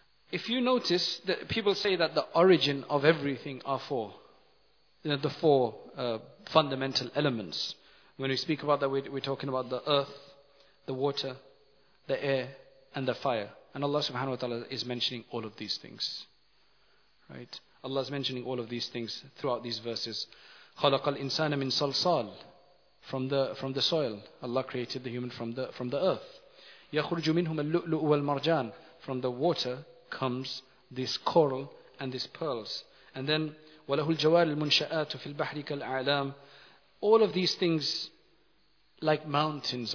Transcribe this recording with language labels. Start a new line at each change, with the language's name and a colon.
English: If you notice that people say that the origin of everything are four, you know, the four fundamental elements. When we speak about that, we're talking about the earth, the water, the air, and the fire. And Allah subhanahu wa ta'ala is mentioning all of these things. Right? Allah is mentioning all of these things throughout these verses. خَلَقَ الْإِنسَانَ مِنْ صَلْصَالٍ from the soil. Allah created the human from the earth.
Arabic: يَخُرْجُ مِنْهُمَ اللُّؤْلُؤُ وَالْمَرْجَانِ
English: from the water comes this coral and these pearls. And then
Arabic: وَلَهُ الْجَوَارِ الْمُنْشَآتُ فِي الْبَحْرِ كَالْأَعْلَامِ
English: all of these things like mountains.